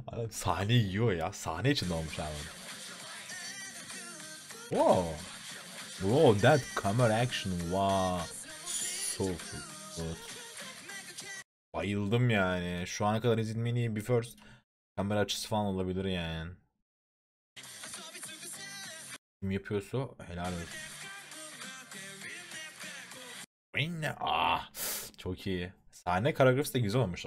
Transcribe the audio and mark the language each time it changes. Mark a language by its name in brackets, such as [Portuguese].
[Turkish] Sahne yiyor ya. Sahne için olmuş abi. Wow. [English] Wow, that camera action, wow. So good. [Turkish] Bayıldım yani. Şu ana kadar izlediğim en iyi bir first kamera açısı falan olabilir yani. Kim yapıyorsa helal olsun. Ah, çok iyi. Sahne koreografisi de güzel olmuş.